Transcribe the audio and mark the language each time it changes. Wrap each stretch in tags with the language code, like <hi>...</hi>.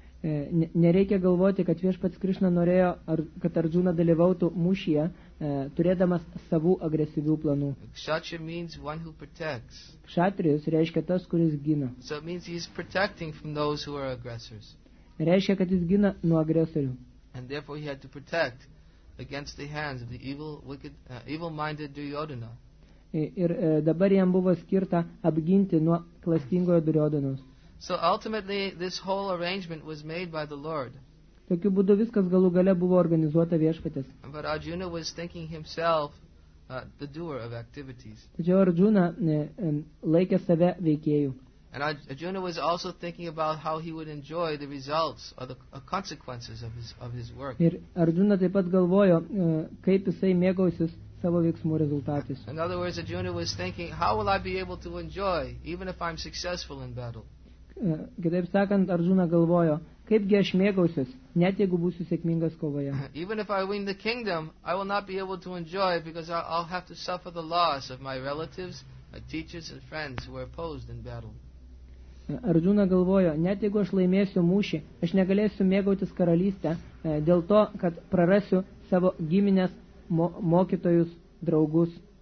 <lt>Nereikia galvoti, kad viešpats Krishna norėjo, kad Arjuna dalyvautų mūšyje, turėdamas savų agresyvių planų.</lt> <en>Kshatriya means one who protects.</en> <lt>Kshatrius reiškia tas, kuris gina.</lt> <en>So it means he is protecting from those who are aggressors.</en> <lt>Reiškia, kad jis gina nuo agresorių.</lt> <en>And therefore he had to protect against the hands of the evil, wicked, evil-minded Duryodhana.</en> <lt>Ir dabar jam buvo skirta apginti nuo klastingojo Duryodhanos.</lt> <en>So ultimately this whole arrangement was made by the Lord.</en> <lt>Tokiu būdu viskas galų gale buvo organizuota Viešpatės.</lt> <en>But Arjuna was thinking himself the doer of activities.</en> <lt>Tačiau Arjuna laikė save veikėjų.</lt> <en>And Arjuna was also thinking about how he would enjoy the results or the consequences of his work.</en> <lt>Ir Arjuna taip pat galvojo, kaip jisai mėgausis savo veiksmų rezultatais.</lt> <en>In other words, Arjuna was thinking, how will I be able to enjoy, even if I'm successful in battle?</en> <lt>Kitaip sakant, Arjuna galvojo, kaipgi aš mėgausis, net jeigu būsiu sėkmingas kovoje.</lt> <en>Even if I win the kingdom, I will not be able to enjoy, because I'll have to suffer the loss of my relatives, my teachers and friends who were opposed in battle.</en> <lt>Arjuna galvojo, net jeigu aš laimėsiu mūšį, aš negalėsiu mėgautis karalystę dėl to, kad prarasiu savo giminės, mokytojus, draugus.</lt>